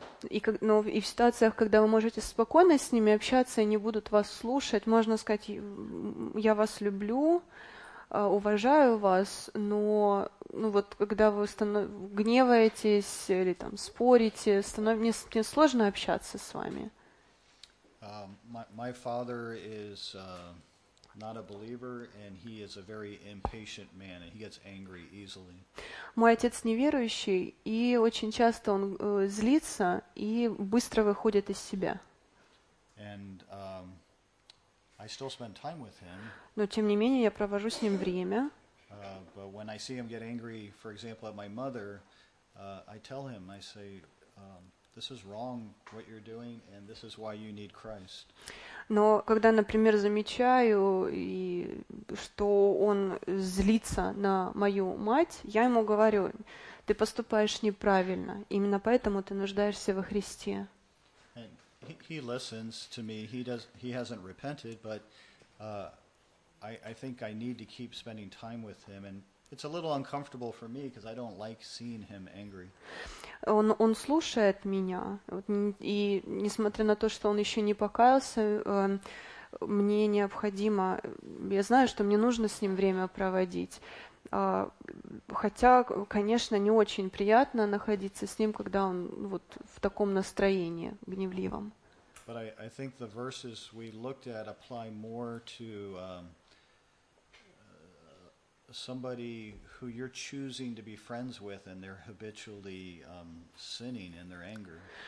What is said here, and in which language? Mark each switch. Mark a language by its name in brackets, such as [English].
[Russian] И в ситуациях, когда вы можете спокойно с ними общаться, они будут вас слушать, можно сказать, я вас люблю, уважаю вас, но ну вот, когда вы гневаетесь или там спорите, мне сложно общаться с вами. [English] My father is not a believer, and he is a very impatient man, and he gets angry easily. [Russian] Мой отец неверующий, и очень часто он злится и быстро выходит из себя. [English] And I still spend time with him. [Russian] Но тем не менее я провожу с ним время. [English] But when I see him get angry, for example, at my mother, I tell him, I say, this is wrong what you're doing, and this is why you need Christ. [Russian] Но когда, например, замечаю, и что он злится на мою мать, я ему говорю, ты поступаешь неправильно, именно поэтому ты нуждаешься во Христе. [English] He listens to me. He hasn't repented, but I think I need to keep spending time with him. And it's a little uncomfortable for me because I don't like seeing him angry. [Russian] Он слушает меня, вот, и несмотря на то, что он еще не покаялся, мне необходимо. Я знаю, что мне нужно с ним время проводить, хотя, конечно, не очень приятно находиться с ним, когда он вот в таком настроении гневливом. [English] But I think the verses we looked at apply more to somebody who you're choosing to be friends with and they're habitually sinning in their anger.